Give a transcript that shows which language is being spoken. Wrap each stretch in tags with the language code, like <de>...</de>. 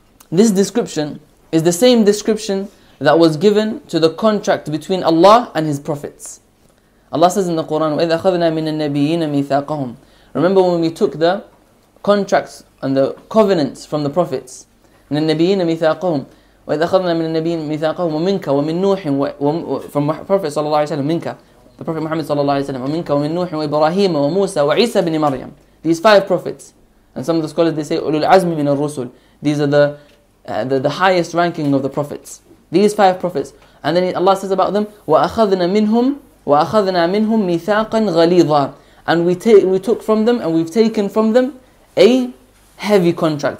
<en>This description is the same description that was given to the contract between Allah and His prophets. Allah says in the Quran,</en> <ar>وَإِذْ أَخَذْنَا مِنَ النَّبِيِّينَ مِيثَاقَهُمْ.</ar> <en>Remember when we took the contracts and the covenants from the prophets.</en> <ar>مِنَ النَّبِيِّينَ مِيثَاقَهُمْ. وَإِذْ أَخَذْنَا مِنَ النَّبِيِّينَ مِيثَاقَهُمْ. وَمِنْكَ وَمِنْ نُوحٍ</ar> <en>from Prophet</en> <ar>صلى الله عليه وسلم. مِنْكَ</ar> <en>the Prophet Muhammad</en> <ar>صلى الله عليه وسلم. وَمِنْكَ وَمِنْ نُوحٍ وَإِبْرَاهِيمَ وَمُوسَى وَعِيسَى بْنِ مَرْيَمَ.</ar> <en>These five prophets, and some of the scholars, they say</en> <ar>أُولُو الْعَزْمِ مِنَ الرُّسُلِ.</ar> <en>These are the highest ranking of the prophets. These five prophets. And then Allah says about them,</en> <ar>وَأَخَذْنَا مِنْهُمْ مِثَاقًا غَلِيظًا.</ar> <en>And we've taken from them a heavy contract.</en>